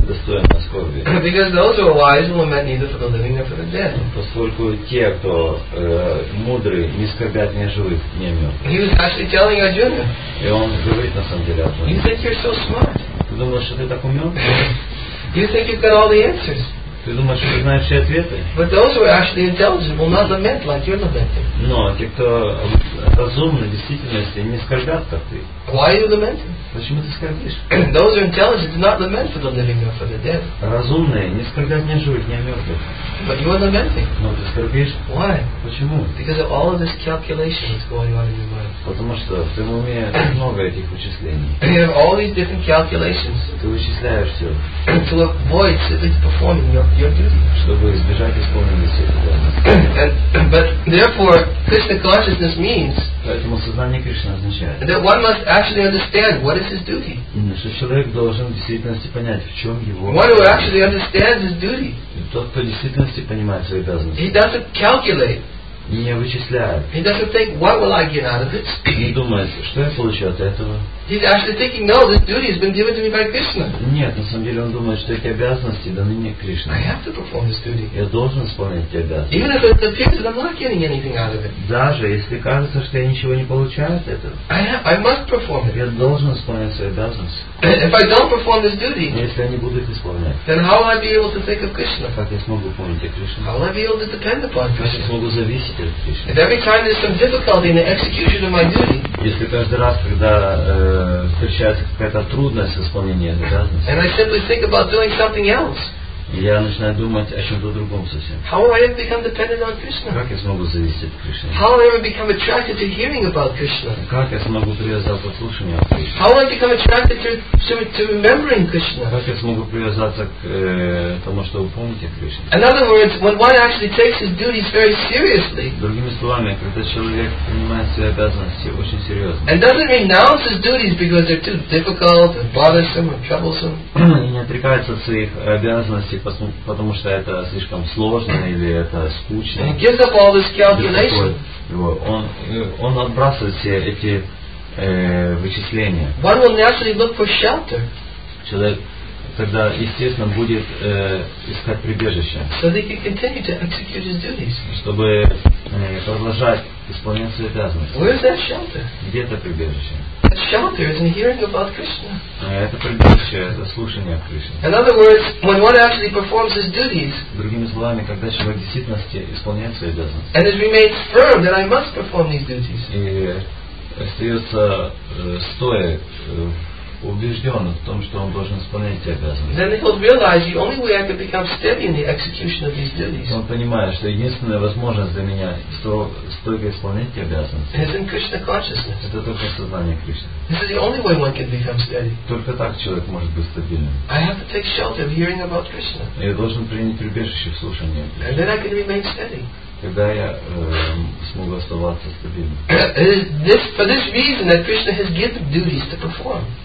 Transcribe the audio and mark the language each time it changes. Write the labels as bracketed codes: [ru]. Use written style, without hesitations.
[en] Because those who are wise will lament neither for the living nor for the dead. [ru] Поскольку те, кто мудрые, не скорбят ни о живых, ни о мертвых. [en] He was actually telling Arjuna. [ru] И он говорит на самом деле. [en] You think you're so smart? [ru] Ты думаешь, что ты так умен? [en] You think you've got all the answers? [ru] Ты думаешь, что ты знаешь все ответы? [en] But those who are actually intelligent will not lament like you're lamenting. [ru] Но те, кто разумны, в действительности, не скорбят, как ты. [en] Why are you lamenting? [ru] Почему ты скорбишь? [en] Those who are intelligent do not lament for the living or for the dead. [ru] Разумные не скорбят ни о живых, ни о мертвых. [en] But you are lamenting. [ru] Но ты скорбишь. [en] Why? [ru] Почему? [en] Because of all of this calculation that's going on in your mind. [ru] Потому что в твоем уме много этих вычислений. [en] You have all these different calculations. [ru] Ты вычисляешь все. [en] To avoid simply performing your duty. [ru] Чтобы избежать исполнения всех обязанностей. [en] But therefore, Krishna consciousness means. [ru] Поэтому сознание Кришны означает. [en] That one must actually understand what is his duty. [ru] Что человек должен в действительности понять, в чем его. [en] One who actually understands his duty. [ru] Тот, кто в действительности понимает свои обязанности. [en] He doesn't calculate. [ru] Не вычисляет. [en] He doesn't think, what will I get out of it? [ru] Не думает, что я получу от этого. [en] He's actually thinking, no, this duty has been given to me by Krishna. [ru] Нет, на самом деле он думает, что эти обязанности даны мне Кришне. [en] I have to perform this duty. [ru] Я должен исполнять эти обязанности. [en] Even if it appears that I'm not getting anything out of it. [ru] Даже если кажется, что я ничего не получаю от этого. [en] I must perform it. [ru] Я должен исполнять свои обязанности. [en] If I don't perform this duty, [ru] если я не буду их исполнять, [en] then how will I be able to think of Krishna? [ru] Как я смогу помнить о Кришне? [en] How will I be able to depend upon Krishna? [ru] Как я смогу зависеть от Кришны? [en] If every time there's some difficulty in the execution of my duty, [ru] если каждый раз, когда встречается какая-то трудность в исполнении обязанности, [en] and I simply think about doing something else, [ru] я начинаю думать о чем-то другом совсем. [en] How will I ever become dependent on Krishna? [ru] Как я смогу зависеть от Кришны? [en] How will I ever become attracted to hearing about Krishna? [ru] Как я смогу привязаться к слушанию о Кришне? [en] How will I become attracted to remembering Krishna? [ru] Как я смогу привязаться к тому, чтобы помнить о Кришне? [en] In other words, when one actually takes his duties very seriously. [ru] Другими словами, когда человек принимает свои обязанности очень серьезно. [en] And doesn't renounce his duties because they're too difficult and bothersome or troublesome. [ru] И не отрекается от своих обязанностей, потому что это слишком сложно или это скучно. [en] He gives up all this calculation. [ru] Он отбрасывает все эти вычисления. [en] One will naturally look for shelter. [ru] Человек тогда, естественно, будет искать прибежище. [en] So that he can continue to execute his duties. [ru] Чтобы продолжать исполнять свои обязанности. [en] Where is that shelter? [ru] Где это прибежище? [en] That shelter is in hearing about Krishna. [ru] Это прибежище, это слушание о Кришне. [en] In other words, when one actually performs his duties. [ru] Другими словами, когда человек действительно исполняет свои обязанности. [en] And it remains firm that I must perform these duties. [ru] И остается стоя убежден в том, что он должен исполнять эти обязанности. [en] Then he'll realize the only way I can become steady in the execution of these duties. [ru] Он понимает, что единственная возможность для меня стойко исполнять эти обязанности. [en] Is in Krishna consciousness. [ru] Это только сознание Кришны. [en] This is the only way one can become steady. [ru] Только так человек может быть стабильным. [en] I have to take shelter of hearing about Krishna. [ru] Я должен принять прибежище в слушании. [en] And then I can remain steady. [ru] Когда я смогу оставаться стабильным. [en] For this reason that Krishna has given duties to perform.